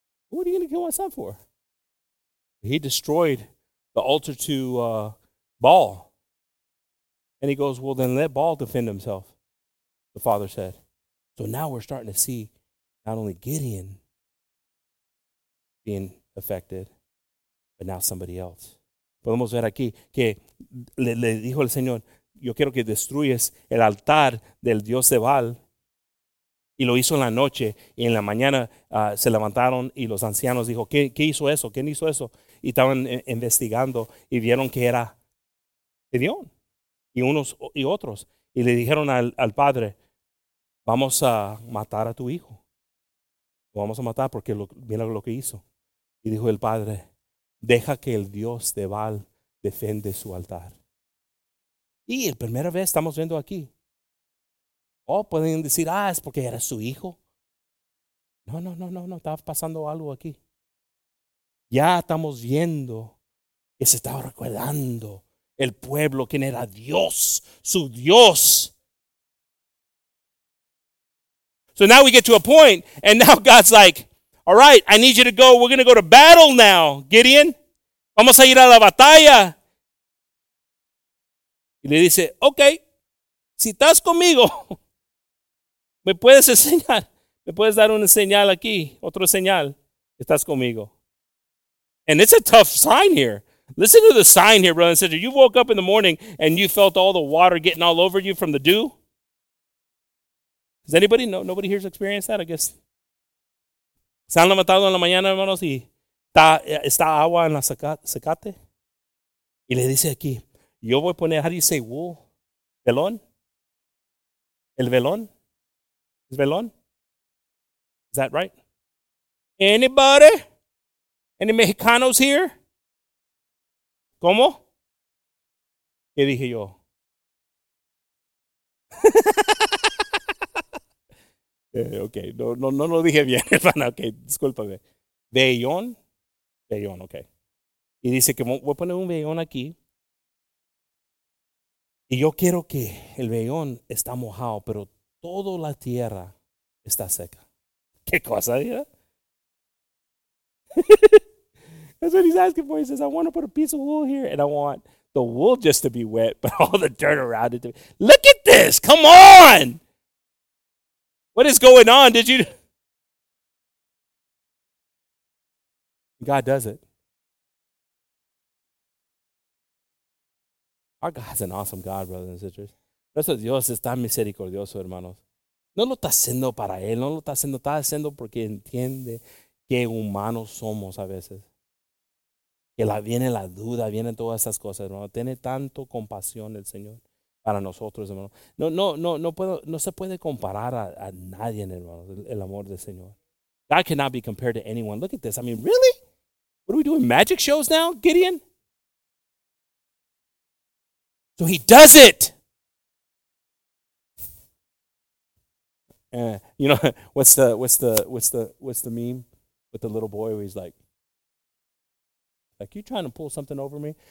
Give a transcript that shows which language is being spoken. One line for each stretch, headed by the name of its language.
English: What are you going to kill my son for? He destroyed the altar to Baal. And he goes, well, then let Baal defend himself, the father said. So now we're starting to see not only Gideon being affected, but now somebody else.
Spanish: Podemos ver aquí que le dijo el Señor, yo quiero que destruyes el altar del Dios de Baal. Y lo hizo en la noche y en la mañana se levantaron y los ancianos dijo, ¿qué hizo eso? ¿Quién hizo eso? Y estaban investigando y vieron que era Gedeón y unos y otros. Y le dijeron al padre, vamos a matar a tu hijo. Lo vamos a matar porque mira lo que hizo. Y dijo el padre, deja que el Dios de Baal defiende su altar. Y la primera vez estamos viendo aquí. Oh, pueden decir, ah, es porque era su hijo. No, estaba pasando algo aquí. Ya estamos viendo que se estaba recordando el pueblo, quien era Dios, su Dios.
English: So now we get to a point, and now God's like, all right, I need you to go. We're going to go to battle now, Gideon.
Spanish: Vamos a ir a la batalla. Y le dice, okay, si estás conmigo, me puedes enseñar, me puedes dar una señal aquí, otra señal, estás conmigo.
English: And it's a tough sign here. Listen to the sign here, brother and sister. You woke up in the morning and you felt all the water getting all over you from the dew. Does anybody know? Nobody here has experienced that, I guess.
Spanish: Se han levantado en la mañana, hermanos, y está agua en la secate. Y le dice aquí, yo voy a poner,
English: how do you say wool?
Spanish: Velón. El velón. Is velón?
English: Is that right? Anybody? Any Mexicanos here?
Spanish: ¿Cómo? ¿Qué dije yo? Okay, no lo dije bien, hermana. Okay, discúlpame. Vellón. Vellón, okay. Y dice que voy a poner un vellón aquí. Y yo quiero que el vellón está mojado, pero toda la tierra está seca. ¿Qué cosa, Dios?
English: That's what he's asking for. He says, I want to put a piece of wool here, and I want the wool just to be wet, but all the dirt around it to be. Look at this. Come on. What is going on? Did you? God does it. Our God's an awesome God, brothers and sisters.
Spanish: Nuestro Dios es tan misericordioso, hermanos. No lo está haciendo para Él. No lo está haciendo. Está haciendo porque entiende que humanos somos a veces. Que viene la duda, vienen todas estas cosas, hermano. Tiene tanto compasión el Señor para nosotros, hermano. No se puede comparar a nadie, hermano, el amor del Señor.
English: God cannot be compared to anyone. Look at this. I mean, really? What are we doing, magic shows now, Gideon? So he does it. You know, what's the meme with the little boy where he's like, like, you trying to pull something over me?